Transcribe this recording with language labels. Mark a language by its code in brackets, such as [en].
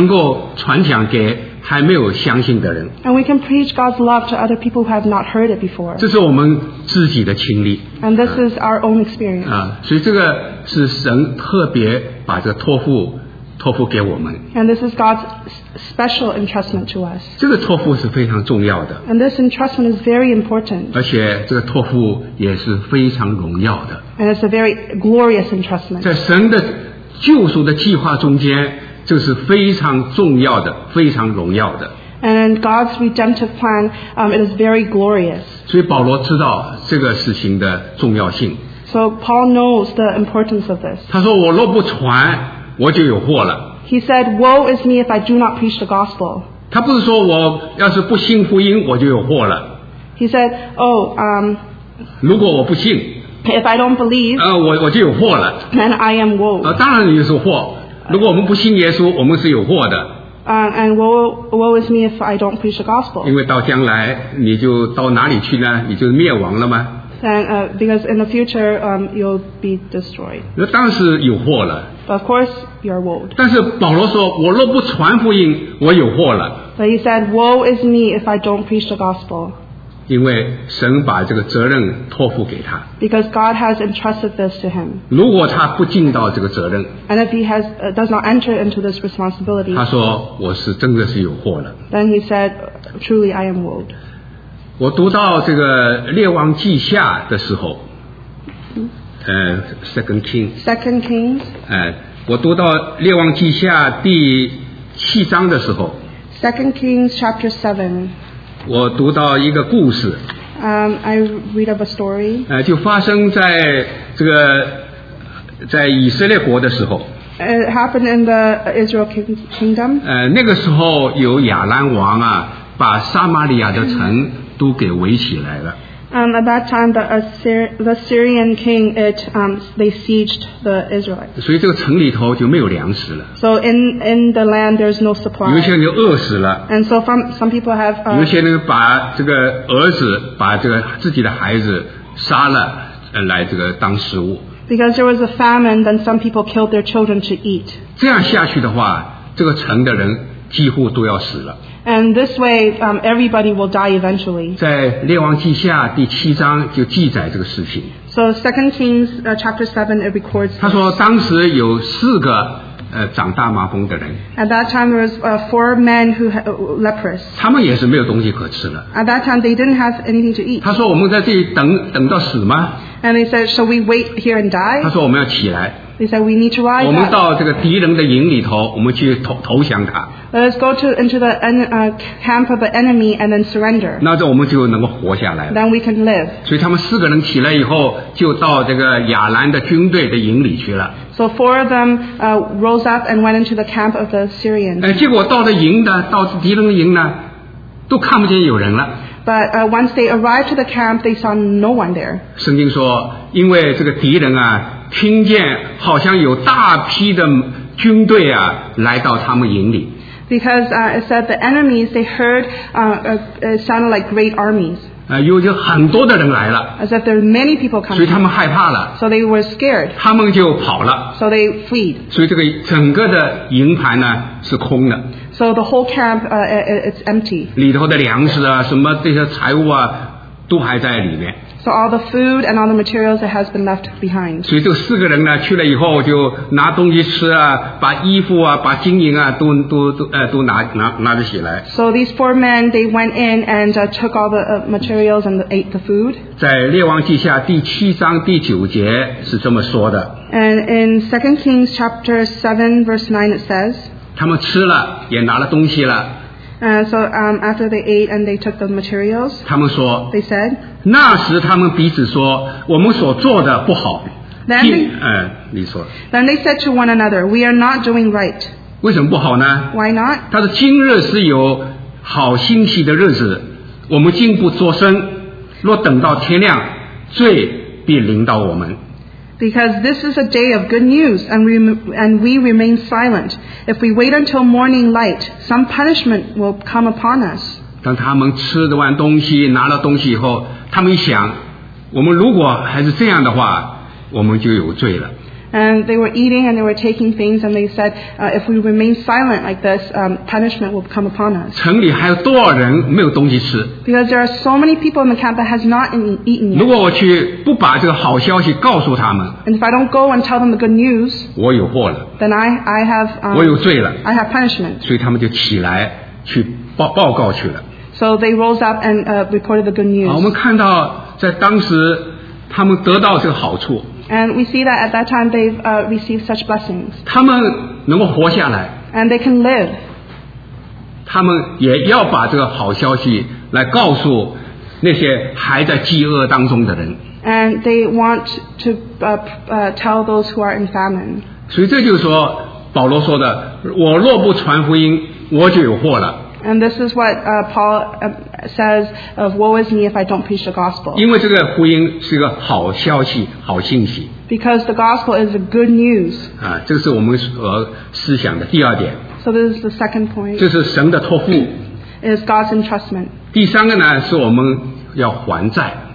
[zh] 我们就能够把主的爱能够传讲给还没有相信的人。 [en] And we can preach God's love to other people who have not heard it before. [zh] 这是我们自己的经历。 [en] And this is our own experience. [zh] 所以这个是神特别把这个托付给我们。 [en] And this is God's special entrustment to us. [zh] 这个托付是非常重要的。 [en] And this entrustment is very important. [zh] 而且这个托付也是非常荣耀的。 [en] And it's a very glorious entrustment. [zh] 在神的救赎的计划中间, 这是非常重要的, 非常荣耀的。 [en] And in God's redemptive plan, it is very glorious. [zh] 所以保罗知道这个事情的重要性。 [en] So Paul knows the importance of this. [zh] 他说我若不传, 我就有祸了。 [en] He said, woe is me if I do not preach the gospel. [zh] 他不是说我要是不信福音, 我就有祸了。 [en] He said, oh, [zh] 如果我不信, [en] if I don't believe, [zh] 我就有祸了。 [en] Then I am woe. [zh] 当然你就是祸。如果我们不信耶稣，我们是有祸的。 [en] And what with me if I don't preach the gospel? [zh] 因为到将来你就到哪里去呢？你就灭亡了吗？ [en] And, because in the future, you'll be destroyed. [zh] 那当然是有祸了。 [en] But of course, you're woed. [zh] 但是保罗说，我若不传福音，我有祸了。 [en] But he said, woe is me if I don't preach the gospel. [zh] 因为神把这个责任托付给他。 [en] Because God has entrusted this to him. [zh] 如果他不尽到这个责任。 [en] And if he has, does not enter into this responsibility. [zh] 他说，我是真的是有祸了。 [en] Then he said, truly I am woed. [zh] 我读到这个列王记下的时候。 [en] Second Kings. Second Kings. [zh] 我读到列王记下第七章的时候。 [en] Second Kings chapter 7. [zh] 我读到一个故事。 [en] I read of a story. [zh] 就发生在这个在以色列国的时候。 [en] It happened in the Israel kingdom. [zh] 那个时候有亚兰王啊把撒玛利亚的城都给围起来了。 [en] At that time, the Syrian king, they sieged the Israelites. [zh] 所以这个城里头就没有粮食了。 [en] So in the land, there's no supply. [zh] 有些人就饿死了。 [en] And so some people have. [zh] 有些人把这个儿子，把这个自己的孩子杀了，来这个当食物。 [en] Because there was a famine, then some people killed their children to eat. [zh] 这样下去的话，这个城的人几乎都要死了。 [en] And this way, everybody will die eventually. [zh] 在列王记下第七章就记载这个事情。 [en] So Second Kings chapter 7 it records. [zh] 他说当时有四个长大麻风的人。 [en] At that time there was four men who had leprous. [zh] 他们也是没有东西可吃了。 [en] At that time they didn't have anything to eat. [zh] 他说我们在这里等到死吗？ [en] And they said, shall we wait here and die? [zh] 他说我们要起来。 [en] They said we need to rise. [zh] 我们到这个敌人的营里头，我们去投降他。 [en] Let's go to into the camp of the enemy and then surrender. [zh] 那这我们就能够活下来。 [en] Then we can live. [zh] 所以他们四个人起来以后，就到这个亚兰的军队的营里去了。 [en] So four of them rose up and went into the camp of the Syrians. [zh] 结果到了营的，到敌人的营呢，都看不见有人了。 [en] But once they arrived to the camp, they saw no one there. [zh] 圣经说，因为这个敌人啊。听见好像有大批的军队啊来到他们营里。 [en] Because it said the enemies they heard it sounded like great armies. [zh] 有很多的人来了。 [en] As if there are many people coming. [zh] 所以他们害怕了。 [en] So they were scared. [zh] 他们就跑了。 [en] So they fled. [zh] 所以这个整个的营盘呢是空的。 [en] So the whole camp it's empty. [zh] 里头的粮食啊什么这些财物啊都还在里面。 [en] So all the food and all the materials that has been left behind. [zh] 所以这四个人呢去了以后就拿东西吃啊，把衣服啊，把金银啊，都拿着起来。 [en] So these four men they went in and took all the materials and ate the food. [zh] 在列王记下第七章第九节是这么说的。 [en] And in Second Kings chapter 7 verse 9 it says. [zh] 他们吃了，也拿了东西了。 [en] So after they ate and they took the materials, [zh] 他们说, [en] they said, [zh] 那时他们彼此说, 我们所做的不好。 [en] Then they said to one another, we are not doing right. [zh] 为什么不好呢? [en] Why not? [zh] 他说, 今日是有好兴起的日子, 我们竟不作声, 若等到天亮, 罪必临到我们。 [en] Because this is a day of good news, and we remain silent. If we wait until morning light, some punishment will come upon us. [zh] 当他们吃了完东西，拿了东西以后，他们一想，我们如果还是这样的话，我们就有罪了。 [en] And they were eating and they were taking things, and they said, if we remain silent like this, punishment will come upon us. [zh] 城里还有多少人没有东西吃？ [en] Because there are so many people in the camp that has not eaten yet. [zh] 如果我去不把这个好消息告诉他们， [en] and if I don't go and tell them the good news, [zh] 我有祸了。 [en] Then I have, [zh] 我有罪了。 [en] I have punishment. [zh] 所以他们就起来去报告去了。 [en] So they rose up and reported the good news. [zh] 我们看到在当时他们得到这个好处。 [en] And we see that at that time they've received such blessings. [zh] 他们能够活下来。 [en] And they can live. [zh] 他们也要把这个好消息来告诉那些还在饥饿当中的人。 [en] And they want to tell those who are in famine. [zh] 所以这就是说保罗说的，我若不传福音，我就有祸了。 [en] And this is what Paul says of woe is me if I don't preach the gospel. [zh] 因为这个福音是个好消息，好信息。 [en] Because the gospel is a good news. [zh] 这是我们思想的第二点。 [en] So this is the second point. [zh] 这是神的托付。 [en] Is God's entrustment. [zh] 第三个呢，是我们要还债。